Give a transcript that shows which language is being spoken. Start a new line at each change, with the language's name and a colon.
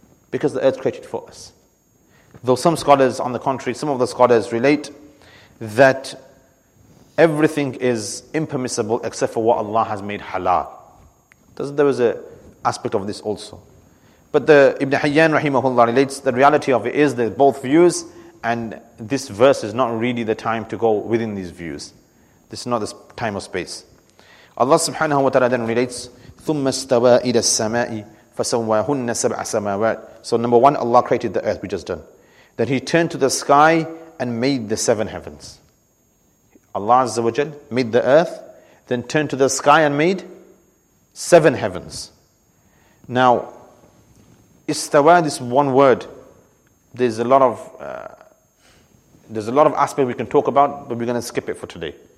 English: Because the earth created for us. Though some scholars, on the contrary, some of the scholars relate that everything is impermissible except for what Allah has made halal. There was an aspect of this also. But the Ibn Hayyan rahimahullah relates the reality of it is that both views, and this verse is not really the time to go within these views. This is not the time or space. Allah subhanahu wa ta'ala then relates,
Arabic: ثُمَّ اسْتَوَى إِلَى السَّمَاءِ فَسَوَّاهُنَّ سَبْعَ سَمَاوَاتٍ.
English: So number one, Allah created the earth, we just done. Then he turned to the sky and made the seven heavens. Allah Azza wa Jal made the earth, then turned to the sky and made seven heavens. Now, istawa, this one word, there's a lot of aspect we can talk about, but we're going to skip it for today.